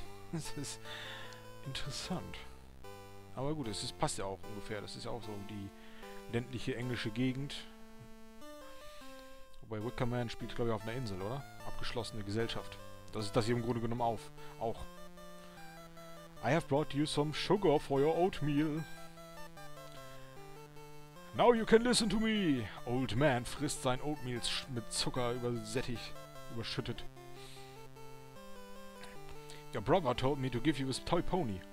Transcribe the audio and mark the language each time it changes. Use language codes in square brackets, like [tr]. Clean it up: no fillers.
[de] Das ist interessant. Aber gut, es passt ja auch ungefähr. Das ist ja auch so die ländliche englische Gegend. Wobei Wicker Man spielt, glaube ich, auf einer Insel, oder? Abgeschlossene Gesellschaft. Das ist das hier im Grunde genommen auch. [en] I have brought you some sugar for your oatmeal. Now you can listen to me. [de] Old man frisst sein Oatmeal mit Zucker überschüttet. [en] Your brother told me to give you his toy pony.